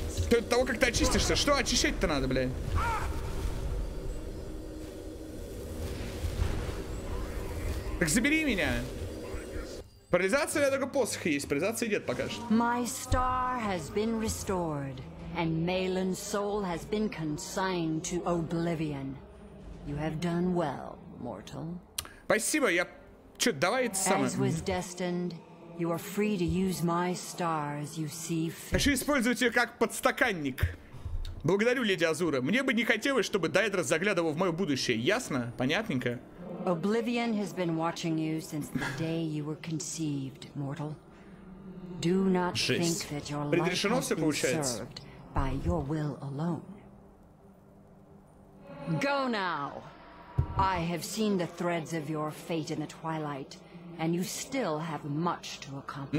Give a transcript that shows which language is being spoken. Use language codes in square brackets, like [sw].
[ru] Ты от того, как ты очистишься, что очищать-то надо, блядь? Так забери меня. Парализация, у меня только посох есть, парализация идет пока что. [en] My star has been restored, and Malin's soul has been consigned to oblivion. You have done well, mortal. [ru] Спасибо, я... Чё, давай это самое. [en] As was destined, you are free to use my star as you see fit. [ru] Хочу использовать ее как подстаканник. Благодарю, леди Азура. Мне бы не хотелось, чтобы Дайдрос заглядывал в мое будущее. Ясно? Понятненько? [en] Oblivion has been watching you since the day you were conceived, mortal. Do not think that your life has been served by your will alone. Go now. I have seen the threads of your fate in the twilight, and you still have much to accomplish.